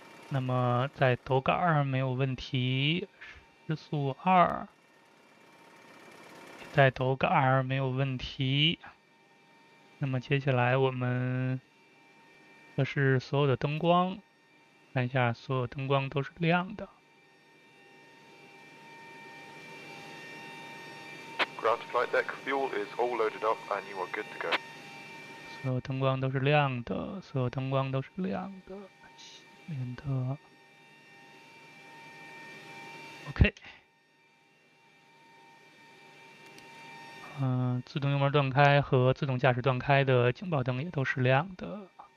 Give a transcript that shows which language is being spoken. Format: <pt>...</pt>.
<zh>那么在斗杆上没有问题，失速二，在斗杆上没有问题。那么接下来我们测试所有的灯光，看一下所有灯光都是亮的。</zh> <en>Ground flight deck fuel is all loaded up and you are good to go.</en> <zh>所有灯光都是亮的，所有灯光都是亮的，免得。 OK。自动油门断开和自动驾驶断开的警报灯也都是亮的。</zh>